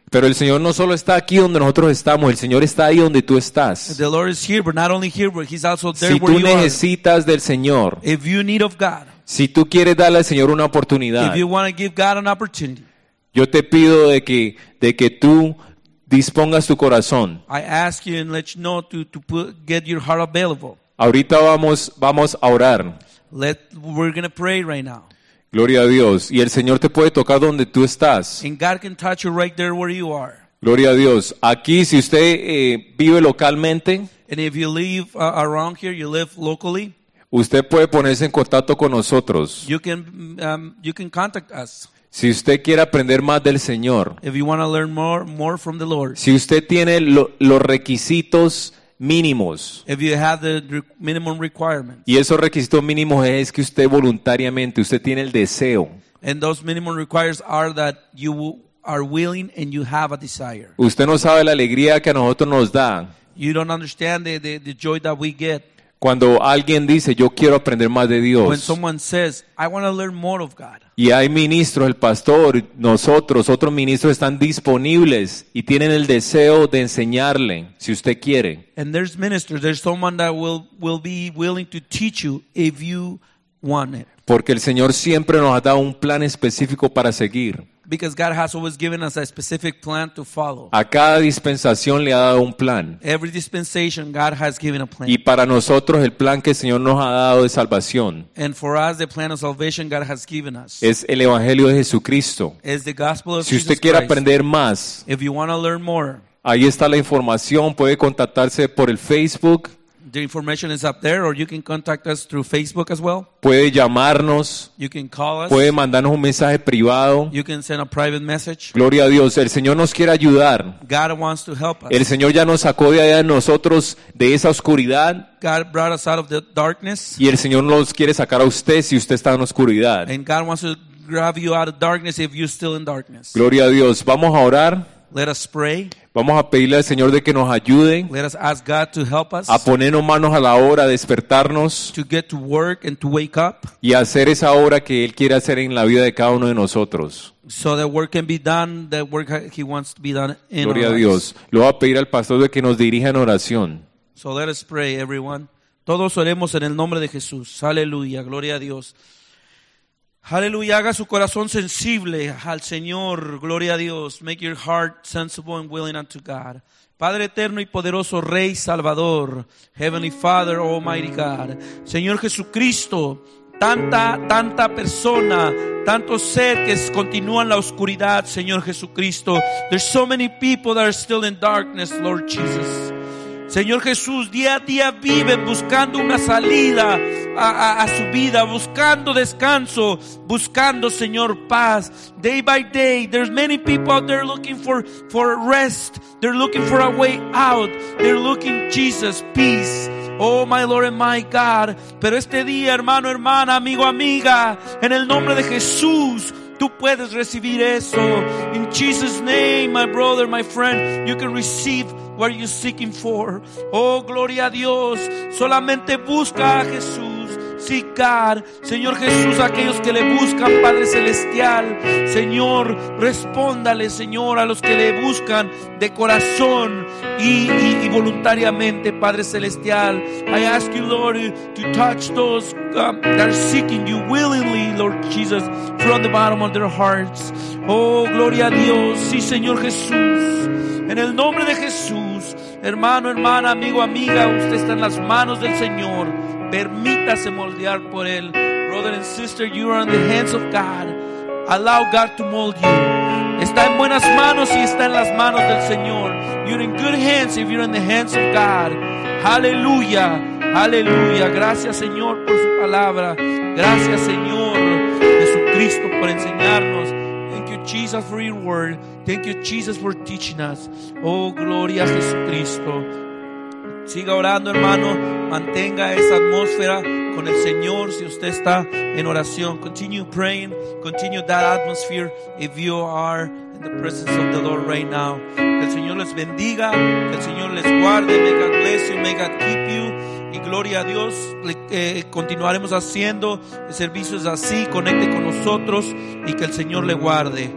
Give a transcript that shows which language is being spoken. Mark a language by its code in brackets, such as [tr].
[es] Pero el Señor no solo está aquí donde nosotros estamos, el Señor está ahí donde tú estás. [en] The Lord is here, but not only here, but he's also there. [es] Si tú necesitas del Señor, [en] if you need of God, [es] si tú quieres darle al Señor una oportunidad, [en] if you want to give God an opportunity, [es] yo te pido de que tú dispongas tu corazón. [en] I ask you and let you know to get your heart available. [es] Ahorita vamos a orar. [en] We're gonna pray right now. [es] Gloria a Dios. Y el Señor te puede tocar donde tú estás. [en] And God can touch you right there where you are. [es] Gloria a Dios. Aquí, si usted vive localmente, [en] and if you live around here, you live locally, [es] usted puede ponerse en contacto con nosotros. [en] You can contact us. [es] Si usted quiere aprender más del Señor, [en] if you want to learn more from the Lord, [es] si usted tiene los requisitos mínimos, [en] if you have the minimum requirements, [es] y esos requisitos mínimos es que usted voluntariamente, usted tiene el deseo, [en] and those minimum requires are that you are willing and you have a desire. [es] Usted no sabe la alegría que a nosotros nos da. [en] You don't understand the joy that we get. [es] Cuando alguien dice, yo quiero aprender más de Dios. [en] When someone says, I want to learn more of God. [es] Y hay ministros, el pastor, nosotros, otros ministros están disponibles y tienen el deseo de enseñarle, si usted quiere. [en] And there's ministers, there's someone that will be willing to teach you if you want it. [es] Porque el Señor siempre nos ha dado un plan específico para seguir. [en] Because God has always given us a specific plan to follow. [es] A cada dispensación le ha dado un plan. [en] Every dispensation God has given a plan. [es] Y para nosotros el plan que el Señor nos ha dado es salvación. [en] And for us the plan of salvation God has given us. [es] Es el Evangelio de Jesucristo. [en] Is the gospel of [es] Jesus. Si usted quiere aprender más, [en] if you want to learn more, [es] ahí está la información. Puede contactarse por el Facebook. [en] The information is up there, or you can contact us through Facebook as well. [es] Puede llamarnos. [en] You can call us. [es] Puede mandarnos un mensaje privado. [en] You can send a private message. [es] Gloria a Dios. El Señor nos quiere ayudar. [en] God wants to help us. [es] El Señor ya nos sacó de allá de nosotros de esa oscuridad. [en] God brought us out of the darkness. [es] Y el Señor nos quiere sacar a usted si usted está en oscuridad. [en] And God wants to grab you out of darkness if you're still in darkness. [es] Gloria a Dios. Vamos a orar. [en] Let us pray. [es] Vamos a pedirle al Señor de que nos ayude. [en] Let us ask God to help us. [es] A ponernos manos a la obra, a despertarnos. [en] To get to work and to wake up. [es] Y hacer esa obra que Él quiere hacer en la vida de cada uno de nosotros. [en] So the work can be done, the work He wants to be done in our lives. [es] Gloria a Dios. Lo voy a pedir al pastor de que nos dirija en oración. [en] So let us pray, everyone. [es] Todos oremos en el nombre de Jesús. Aleluya. Gloria a Dios. Aleluya, haga su corazón sensible al Señor, gloria a Dios. [en] Make your heart sensible and willing unto God. [es] Padre eterno y poderoso Rey Salvador, [en] Heavenly Father, Almighty God, [es] Señor Jesucristo, tanta persona, tanto ser que continúa en la oscuridad, Señor Jesucristo. [en] There's so many people that are still in darkness, Lord Jesus. [es] Señor Jesús, día a día viven buscando una salida a su vida, buscando descanso, buscando, Señor, paz. [en] Day by day, there's many people out there looking for rest. They're looking for a way out. They're looking, Jesus, peace. Oh, my Lord and my God. [es] Pero este día, hermano, hermana, amigo, amiga, en el nombre de Jesús, tú puedes recibir eso. [en] In Jesus' name, my brother, my friend, you can receive what you're seeking for. [es] Oh, gloria a Dios. Solamente busca a Jesús. [en] Seek God. [es] Señor Jesús, aquellos que le buscan, Padre Celestial. Señor, respóndale, Señor, a los que le buscan de corazón y voluntariamente, Padre Celestial. [en] I ask you, Lord, to touch those that are seeking you willingly, Lord Jesus, from the bottom of their hearts. [es] Oh, gloria a Dios. Sí, Señor Jesús. En el nombre de Jesús, hermano, hermana, amigo, amiga, usted está en las manos del Señor. Permítase moldear por Él. [en] Brother and sister, you are in the hands of God. Allow God to mold you. [es] Está en buenas manos y está en las manos del Señor. [en] You're in good hands if you're in the hands of God. [es] Aleluya, aleluya. Gracias, Señor, por su palabra. Gracias, Señor, Jesucristo, por enseñarnos. [en] Thank you, Jesus, for your word. Thank you, Jesus, for teaching us. [es] Oh, gloria a Jesucristo. Siga orando, hermano. Mantenga esa atmósfera. con el Señor. Si usted está en oración, [en] continue praying, continue that atmosphere if you are in the presence of the Lord right now. [es] Que el Señor les bendiga, que el Señor les guarde. [en] May God bless you, may God keep you. [es] Y gloria a Dios, continuaremos haciendo servicios así. Conecte con nosotros y que el Señor le guarde.